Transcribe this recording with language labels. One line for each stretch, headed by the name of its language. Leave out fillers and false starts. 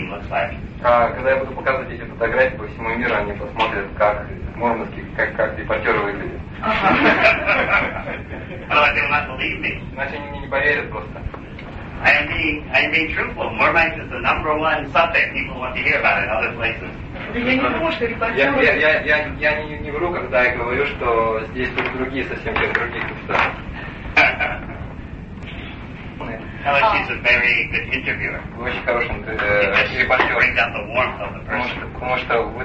Russian: Когда я буду показывать эти фотографии по всему миру, они посмотрят, как мурманские, как репортеры выглядят. Иначе они мне не поверят просто.
English: I'm being truthful. Murmansk is the number one subject people want to hear about in other places.
Russian: Я не вру, когда я говорю, что здесь тут другие совсем как другие места. Вы